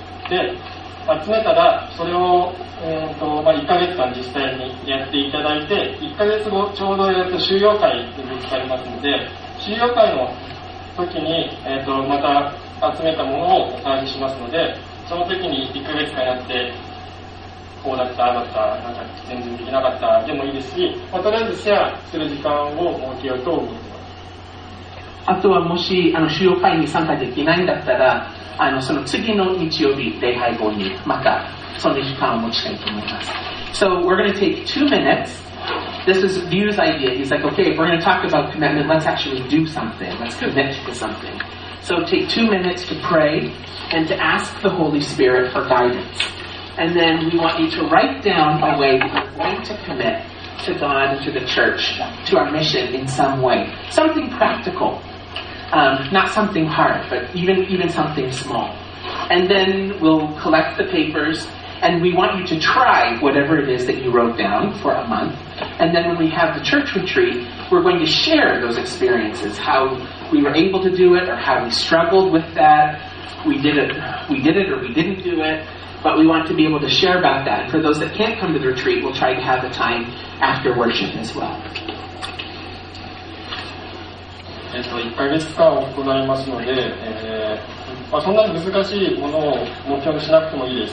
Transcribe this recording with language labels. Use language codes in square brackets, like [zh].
[ja] で集めたらそれを、まあ、1ヶ月間実際にやっていただいて1ヶ月後ちょうどやると収容会に移されますので収容会の時に、また集めたものをお返ししますのでその時に1ヶ月間やってこうだったああだったなんか全然できなかったでもいいですし、まあ、とりあえずシェアする時間を設けようと思います。あとはもし収容会に参加できないんだったらその次の日曜日礼拝後にまたその時間を持ちたいと思います。 [en] So we're going to take 2 minutes. This is Liu's idea. He's like, okay, if we're going to talk about commitment, let's actually do something. Let's commit to something. So take 2 minutes to pray and to ask the Holy Spirit for guidance. And then we want you to write down the way we're going to commit to God, to the church, to our mission in some way. Something practical. Not something hard, but even something small. And then we'll collect the papers, and we want you to try whatever it is that you wrote down for a month. And then when we have the church retreat, we're going to share those experiences, how we were able to do it, or how we struggled with that. We did it or we didn't do it. But we want to be able to share about that. For those that can't come to the retreat, we'll try to have a time after worship as well. [ja] 1ヶ月間行いますので、まあ、そんなに難しいものを目標にしなくてもいいです。